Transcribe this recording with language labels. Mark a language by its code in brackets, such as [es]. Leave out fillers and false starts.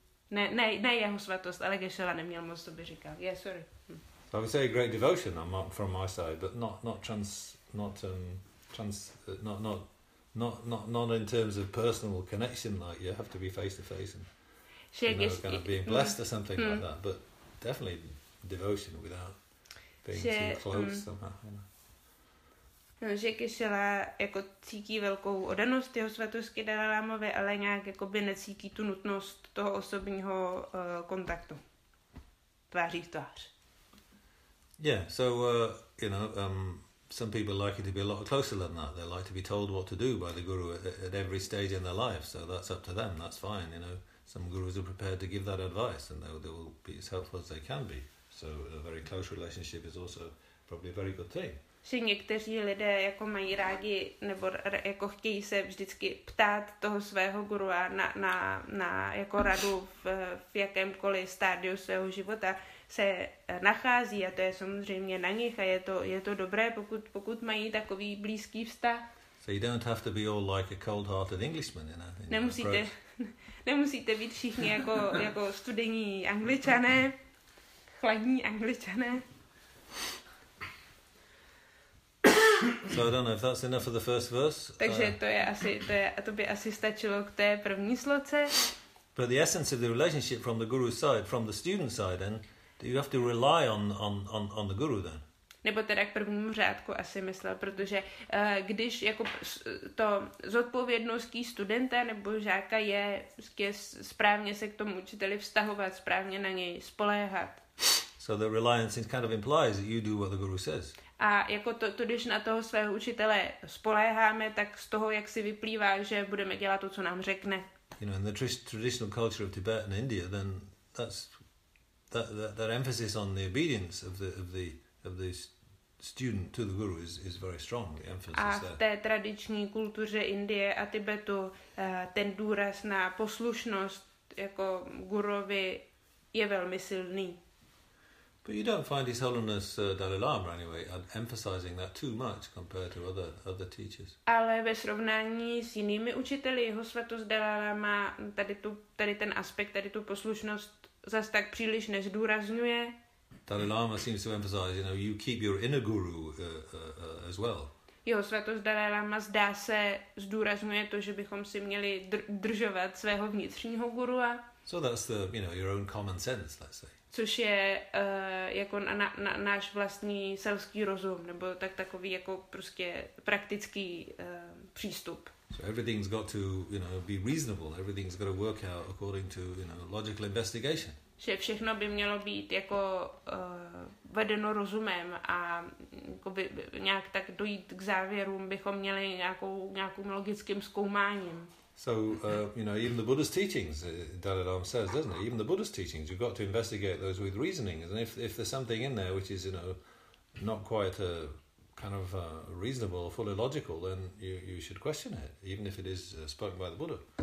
[cs] Ne, jeho svatost, ale Geshe-la neměl moc, co by říkal. [en] Yeah, sorry. So I would say a great devotion from my side, but not in terms of personal connection, like you have to be face to face and kind of being blessed or something like that. But definitely devotion without being too close somehow. You know. [cs] No, že Geshe-la jako cítí velkou oddanost jeho svatosti Dalai Lamovi, ale nějak jako by necítí tu nutnost toho osobního kontaktu. Tváří v tvář. [en] Yeah, so you know, some people like it to be a lot closer than that. They like to be told what to do by the guru at every stage in their life. So that's up to them. That's fine, you know. Some gurus are prepared to give that advice and they will be as helpful as they can be. So a very close relationship is also probably a very good thing. [cs] Že někteří lidé jako mají rádi nebo jako chtějí se vždycky ptát toho svého gurua na jako radu v jakémkoliv stádiu svého života se nachází a to je samozřejmě na nich a je to dobré, pokud mají takový blízký vztah. [en] So you don't have to be all like a cold-hearted Englishman, you know. [cs] Nemusíte být všichni jako studení Angličané, chladní Angličané. [en] So I don't know if that's enough for the first verse. [cs] Takže to by asi stačilo k té první sloce. [en] But the essence of the relationship from the guru's side, from the student side, then do you have to rely on the guru then? [cs] Nebo teda k prvnímu řádku asi myslel, protože když jako to zodpovědností studenta nebo žáka je správně se k tomu učiteli vztahovat, správně na něj spoléhat. [en] So the reliance kind of implies that you do what the guru says. [cs] A jako to, když na toho svého učitele spoléháme, tak z toho, jak si vyplývá, že budeme dělat to, co nám řekne. [en] You know, in the traditional culture of Tibet and India, then that's that emphasis on the obedience of the student to the guru is very strong, the emphasis [cs] a v té tradiční kultuře Indie a Tibetu ten důraz na poslušnost jako guruvi je velmi silný. [en] But you don't find His Holiness Dalai Lama anyway emphasizing that too much compared to other teachers. [cs] Ale ve srovnání s jinými učiteli Jeho svatost Dalai Lama tady ten aspekt, tady tu poslušnost zas tak příliš nezdůrazňuje. [en] Dalai Lama seems to emphasize, you know, you keep your inner guru as well. [cs] Jeho svatost Dalai Lama zdá se zdůrazňuje to, že bychom si měli držovat svého vnitřního gurua. [en] So that's the, you know, your own common sense, let's say. [cs] Což je jako náš vlastní selský rozum, nebo takový jako prostě praktický přístup. [en] So everything's got to, you know, be reasonable. Everything's got to work out according to, you know, logical investigation. [cs] Že všechno by mělo být jako vedeno rozumem a jako by nějak tak dojít k závěrům bychom měli nějakým logickým zkoumáním. [en] So you know, even the Buddha's teachings, Dalai Lama says, doesn't he? Even the Buddha's teachings, you've got to investigate those with reasoning. And if there's something in there which is, you know, not quite a kind of reasonable, fully logical, then you should question it, even if it is spoken by the Buddha.